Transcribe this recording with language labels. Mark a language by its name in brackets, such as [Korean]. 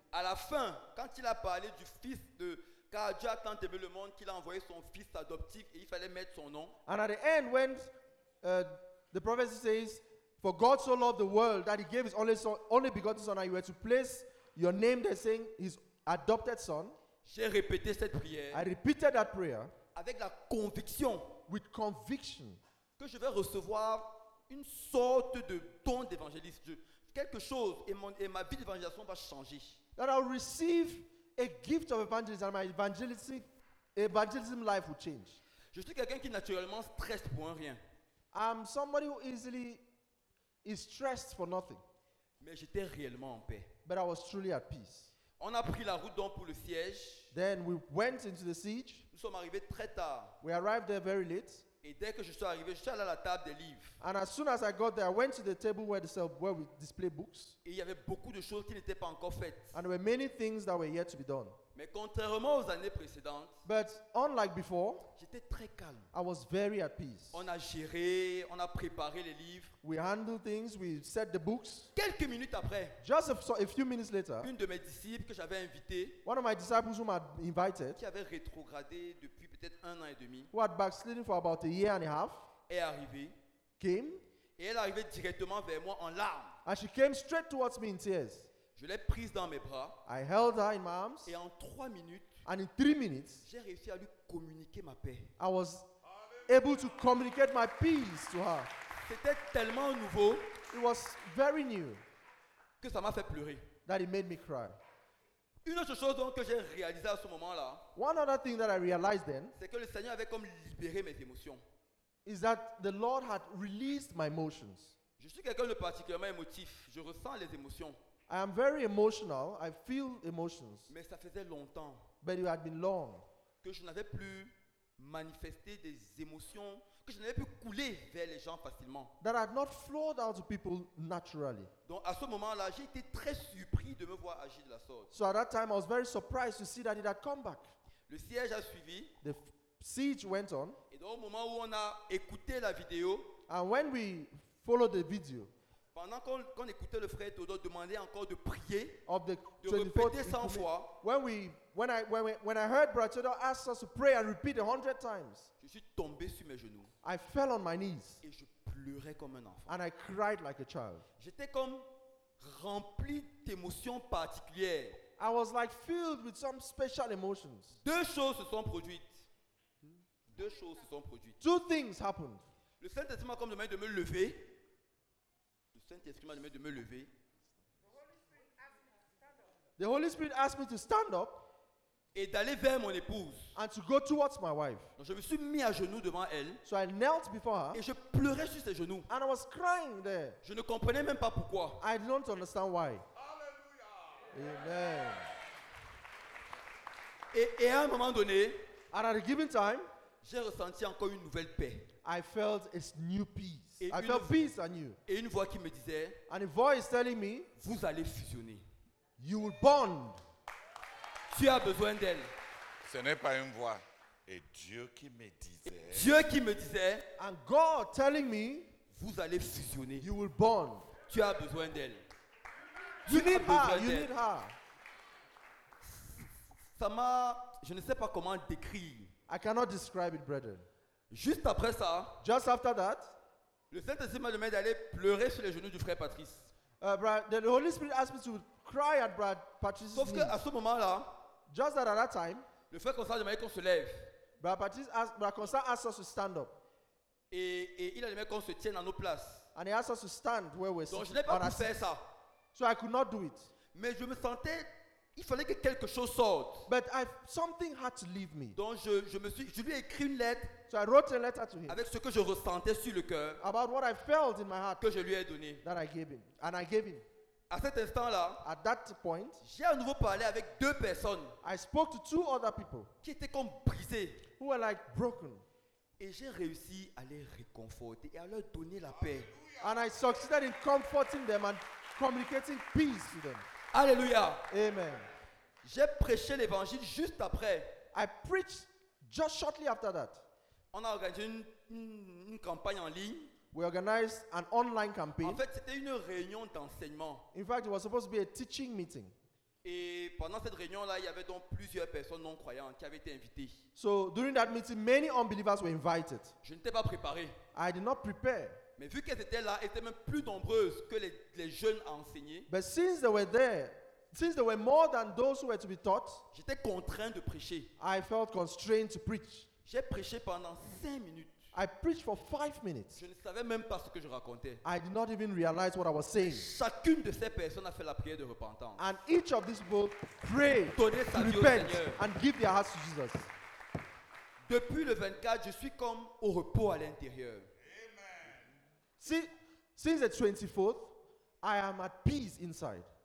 [French] À la fin, quand il a parlé du fils de, car Dieu a tant aimé le monde qu'il a envoyé son fils adoptif et il fallait mettre son nom. [English] And at the end, when the prophecy says, for God so loved the world that he gave his only son, only begotten son, and you were to place your name there, saying his adopted son. [French] J'ai répété cette prière. [English] I repeated that prayer. [French] Avec la conviction. [English] With conviction. [French] Que je vais recevoir une sorte de don d'évangéliste. Quelque chose et ma vie d'évangélisation va changer. [English] That I'll receive a gift of evangelism and my evangelism life will change. [French] Je suis quelqu'un qui naturellement stresse pour un rien. [English] I'm somebody who easily is stressed for nothing. [French] Mais j'étais réellement en paix. [English] But I was truly at peace. [French] On a pris la route donc pour le siège. [English] Then we went into the siege. [French] Nous sommes arrivés très tard. [English] We arrived there very late. [French] Et dès que je suis arrivé, je suis allé à la table des livres. [English] And as soon as I got there, I went to the table where we display books. [French] Et il y avait beaucoup de choses qui n'étaient pas encore faites. [English] And there were many things that were yet to be done. [French] Mais contrairement aux années précédentes, [English] but unlike before, [French] j'étais très calme. [English] I was very at peace. [French] On a géré, on a préparé les livres. [English] We handled things, we set the books. [French] Quelques minutes après, [English] just a few minutes later, [French] une de mes disciples que j'avais invité, [English] one of my disciples whom I invited, [French] qui avait rétrogradé depuis peut-être un an et demi, [English] who had backslidden for about a year and a half, [French] est arrivée, [English] came, [French] et elle arrivait directement vers moi en larmes. [English] And she came straight towards me in tears. [French] Je l'ai prise dans mes bras. [English] I held her in my arms. [French] Et en 3 minutes, [English] and in 3 minutes, [French] j'ai réussi à lui communiquer ma paix. [English] I was able to communicate my peace to her. [French] C'était tellement nouveau. [English] It was very new. [French] Que ça m'a fait pleurer. [English] That it made me cry. [French] Une autre chose donc que j'ai réalisé à ce moment-là, [English] one other thing that I realized then, [French] c'est que le Seigneur avait comme libéré mes émotions. [English] Is that the Lord had released my emotions. [French] Je suis quelqu'un de particulièrement émotif. Je ressens les émotions. [English] I am very emotional. I feel emotions. [French] Mais ça faisait longtemps [English] but it had been long [French] que je n'avais plus manifester des émotions que je n'avais plus couler vers les gens facilement. [English] That had not flowed out to people naturally. [French] Donc à ce moment-là, j'ai été très surpris de me voir agir de la sorte. [English] So at that time, I was very surprised to see that it had come back. [French] Le siège a suivi. [English] The siege went on. [French] Et donc au moment où on a écouté la vidéo, [English] and when we followed the video, [French] pendant qu'on écoutait le frère Todo demander encore de prier, [English] of the [French] de répéter 100 fois, [English] when I heard Brother Todo ask us to pray and repeat 100 times, [French] je suis tombé sur mes genoux. [English] I fell on my knees. [French] Et je pleurais comme un enfant. [English] And I cried like a child. [French] J'étais comme rempli d'émotions particulières. [English] I was like filled with some special emotions. [French] Deux choses se sont produites. Deux choses se sont produites. [English] Two things happened. [French] Le Saint-Esprit m'a comme demandé de me lever. Saint-Esprit m'a demandé de me lever. [English] The Holy Spirit asked me to stand up [French] et d'aller vers mon épouse. [English] And to go towards my wife. [French] Donc je me suis mis à genoux devant elle. [English] So I knelt before her. [French] Et je pleurais sur ses genoux. [English] And I was crying there. [French] Je ne comprenais même pas pourquoi. [English] I don't understand why. Hallelujah. Amen. [French] Et à un moment donné, [English] and at a given time, [French] j'ai ressenti encore une nouvelle paix. [English] I felt a new peace. I felt peace on you. [French] Et une voix qui me disait, [English] and a voice telling me, [French] vous allez fusionner. [English] You will bond. [French] Tu as besoin d'elle. Ce n'est pas une voix. Et Dieu qui me disait, et Dieu qui me disait, [English] and God telling me, [French] vous allez fusionner. [English] You will bond. [French] Tu as besoin d'elle. [English] You need her. You need her. [French] Ça m'a, je ne sais pas comment décrire. [English] I cannot describe it, brethren. [French] Juste après ça, [English] just after that, [French] le Saint-Esprit m'a demandé d'aller pleurer sur les genoux du frère Patrice. [English] The Holy Spirit asked me to cry at Brad Patrice's [French] sauf [English] knees. [French] Que à ce moment-là, [English] just that at that time, [French] le frère Constant a demandé qu'on se lève. [English] Brad Patrice asked, Brad Constant asked us to stand up. [French] Et il a demandé qu'on se tienne à nos places. [English] And he asked us to stand where we're sitting. [French] Donc je n'ai pas pu faire ça. [English] So I could not do it. [French] Mais je me sentais, il fallait que quelque chose sorte. [English] But something had to leave me. [French] Donc je lui ai écrit une lettre. [English] So I wrote a letter to him [French] avec ce que je ressentais sur le cœur, [English] about what I felt in my heart, [French] que je lui ai donné, [English] that I gave him, and I gave him. [French] À cet instant-là, [English] at that point, [French] j'ai à nouveau parlé avec deux personnes, [English] I spoke to two other people, [French] qui étaient comme brisés, [English] who were like broken, [French] et j'ai réussi à les réconforter et à leur donner la paix. [English] And I succeeded in comforting them and communicating peace to them. Alléluia. Amen. [French] J'ai prêché l'évangile juste après. [English] I preached just shortly after that. [French] On a organisé une campagne en ligne. [English] We organized an online campaign. [French] En fait, c'était une réunion d'enseignement. [English] In fact, it was supposed to be a teaching meeting. [French] Et pendant cette réunion-là, il y avait donc plusieurs personnes non-croyantes qui avaient été invitées. [English] So during that meeting, many unbelievers were invited. [French] Je n'étais pas préparé. [English] I did not prepare. [French] Mais vu qu'elles étaient là, elles étaient même plus nombreuses que les jeunes enseignés. [English] But since they were there, since there were more than those who were to be taught, [French] j'étais contraint de prêcher. [English] I felt constrained to preach. [French] J'ai prêché pendant 5 minutes. [English] I preached for 5 minutes. [French] Je ne savais même pas ce que je racontais. [English] I did not even realize what I was saying. [French] Chacune de ces personnes a fait la prière de repentance. [English] And each of these people prayed, [French] donner sa vie au Seigneur, [English] and give their hearts to Jesus. [French] Depuis le 24, je suis comme au repos à l'intérieur. Amen. [English] Since the 24th, I am at peace inside.